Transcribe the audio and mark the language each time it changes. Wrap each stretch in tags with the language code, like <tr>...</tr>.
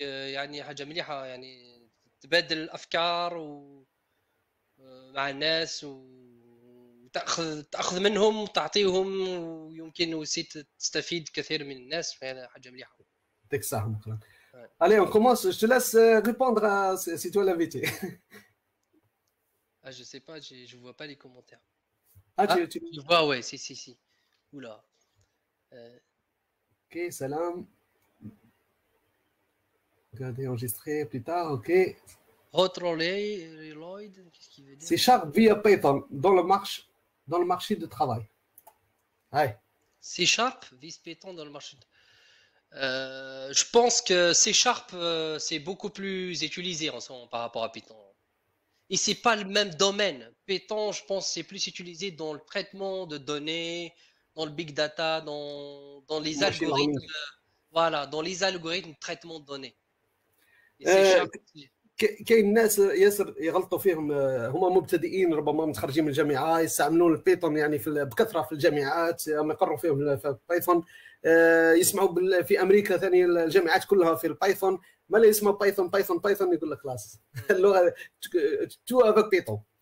<ar>يعني حاجة مليحة يعني تبادل الأفكار مع الناس وتأخذ منهم وتعطيهم ويمكن وسيت تستفيد كثير من الناس فهذا حاجة مليحة</ar> <fr>Allez, on commence. Je te laisse répondre à si tu es l'invité. Ah, je sais pas, je vois pas les commentaires. Ah, Ah, tu. je vois, ouais, si. Oula. Ok, salam. Regardez, enregistrer plus tard. Ok. Retroller, reload, qu'est-ce qu'il veut C'est dire? Sharp via Python dans le marché de travail. Ouais. C-Sharp, vice Python dans le marché. Je pense que C-Sharp, c'est beaucoup plus utilisé en son, par rapport à Python. Et c'est pas le même domaine. Python, je pense, c'est plus utilisé dans le traitement de données, dans le big data, dans les</fr> <en>Machine</en> <fr>algorithmes,</fr> <en>learning.</en> <fr>voilà, dans les algorithmes de traitement de données. Et C-Sharp,</fr> <ar>كاين الناس ياسر يغلطوا فيهم، هما مبتدئين ربما متخرجين من الجامعه، يستعملون البايثون يعني في بكثره في الجامعات، يقروا فيهم في البايثون، يسمعوا في امريكا ثاني الجامعات كلها في البايثون، ما لا يسمع بايثون بايثون بايثون يقول لك خلاص اللغه تو افك بايثون.</ar>